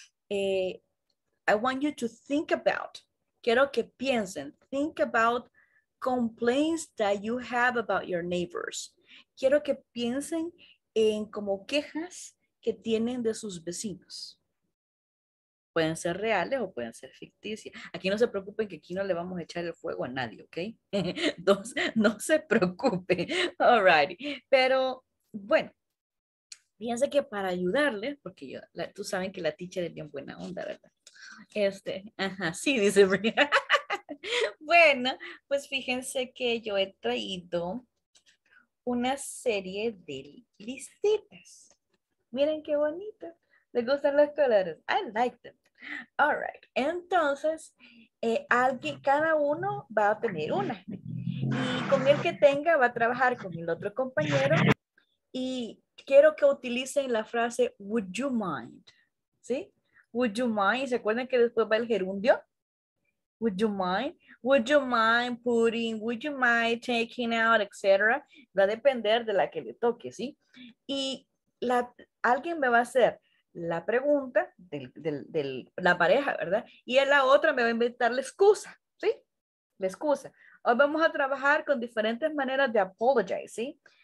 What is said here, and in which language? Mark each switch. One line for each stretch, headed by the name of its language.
English: I want you to think about,
Spanish: quiero que piensen,
English: think about complaints that you have about your neighbors.
Spanish: Quiero que piensen en como quejas que tienen de sus vecinos. Pueden ser reales o pueden ser ficticias. Aquí no se preocupen que aquí no le vamos a echar el fuego a nadie, ¿ok? No se preocupe. Alrighty. Pero, bueno, piense que para ayudarle, porque tú saben que la teacher es bien buena onda, ¿verdad? Ajá, sí, dice Brian. Bueno, pues fíjense que yo he traído una serie de listitas. Miren qué bonito. ¿Les gustan los colores?
English: I like them. All right.
Spanish: Entonces, cada uno va a tener una. Y con el que tenga va a trabajar con el otro compañero. Y quiero que utilicen la frase,
English: would you mind?
Spanish: ¿Sí?
English: Would you mind?
Spanish: ¿Se acuerdan que después va el gerundio?
English: Would you mind putting, would you mind taking out, etc.
Spanish: Va a depender de la que le toque, ¿sí? Y la, alguien me va a hacer la pregunta de la pareja, ¿verdad? Y a la otra me va a inventar la excusa, ¿sí? La excusa. Hoy vamos a trabajar con diferentes maneras de apologize, ¿sí?